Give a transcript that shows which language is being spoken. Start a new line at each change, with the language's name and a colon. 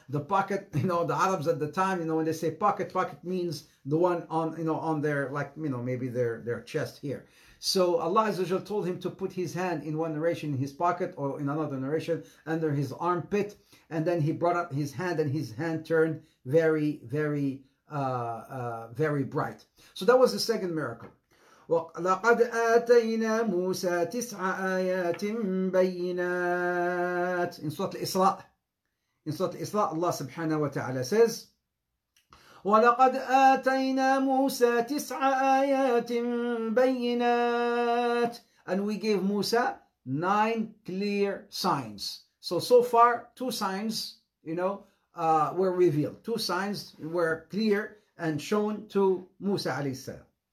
English: The pocket, you know, the Arabs at the time, you know, when they say pocket means the one on, you know, on their, like, you know, maybe their chest here. So Allah told him to put his hand in one narration in his pocket, or in another narration under his armpit, and then he brought up his hand and his hand turned very, very, very bright. So that was the second miracle.
Arabic: وَلَقَدْ آتَيْنَا مُوسَى تِسْعَ آيَاتٍ بَيِّنَاتٍ.
English: In Surah Al-Isra, Allah subhanahu wa ta'ala says,
Arabic: وَلَقَدْ آتَيْنَا مُوسَى تِسْعَ آيَاتٍ بَيِّنَاتٍ.
English: And we gave Musa 9 clear signs. So far, 2 signs, you know, were revealed. 2 signs were clear and shown to Musa alayhi salam.